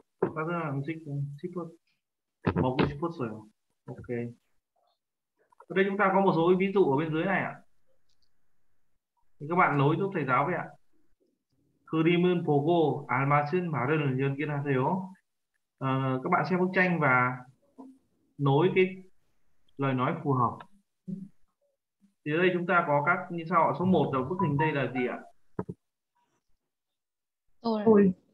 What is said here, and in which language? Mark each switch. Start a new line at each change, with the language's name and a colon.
Korean: 따뜻한 음식 먹고 싶었어요.
English: 오케이.
Vietnamese: 그래, chúng ta có một số ví dụ ở bên dưới này ạ. Các bạn nối giúp thầy giáo vậy ạ.
Korean: 그림은 보고 알맞은 말을 연결하세요.
Vietnamese: Các bạn xem bức tranh và nối cái lời nói phù hợp. Thì ở đây chúng ta có các như sau ạ. Số 1 ở bức hình đây là gì ạ? Tôi.